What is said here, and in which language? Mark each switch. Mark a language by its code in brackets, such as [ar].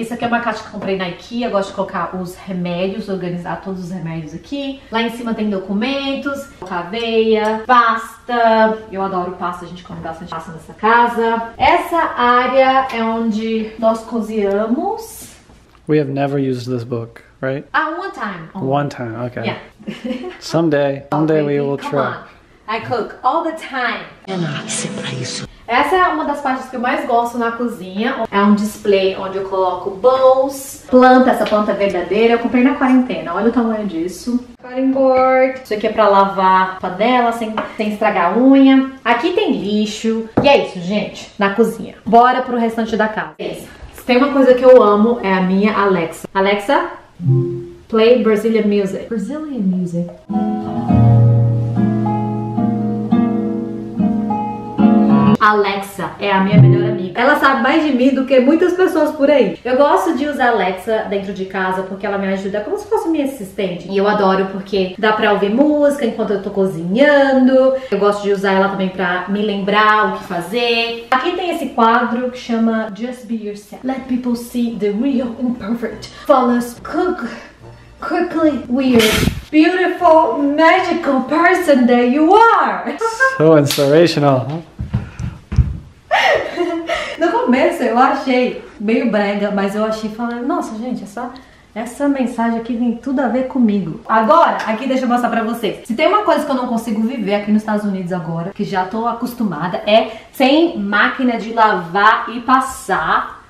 [pt] Isso aqui é uma caixa que eu comprei na IKEA. Gosto de colocar os remédios, organizar todos os remédios aqui. Lá em cima tem documentos, aveia, pasta. Eu adoro pasta, a gente come bastante pasta nessa casa. Essa área é onde nós cozinhamos. [en] We have never used this book, right? One time. Only. One time, okay. Yeah. Someday okay, we will try. I cook all the time. [pt] Nossa, pra isso. Essa é uma das partes que eu mais gosto na cozinha. É um display onde eu coloco bowls, planta, essa planta verdadeira. Eu comprei na quarentena, olha o tamanho disso. [en] Cutting board. [pt] Isso aqui é pra lavar panela sem estragar a unha. Aqui tem lixo. E é isso, gente, na cozinha. Bora pro restante da casa. Beleza. Tem uma coisa que eu amo, é a minha Alexa. [en] Alexa, play Brazilian music. Brazilian music. [pt] Alexa é a minha melhor amiga. Ela sabe mais de mim do que muitas pessoas por aí. Eu gosto de usar a Alexa dentro de casa porque ela me ajuda como se fosse minha assistente. E eu adoro porque dá pra ouvir música enquanto eu tô cozinhando. Eu gosto de usar ela também pra me lembrar o que fazer. Aqui tem esse quadro que chama Just Be Yourself. [en] Let people see the real imperfect. Follows cook quickly weird. Beautiful, magical person that you are. So inspirational, huh? [pt] No começo eu achei meio brega, mas eu achei falando, nossa gente, essa mensagem aqui tem tudo a ver comigo. Agora, aqui deixa eu mostrar pra vocês. Se tem uma coisa que eu não consigo viver aqui nos Estados Unidos agora, que já tô acostumada, é sem máquina de lavar e passar.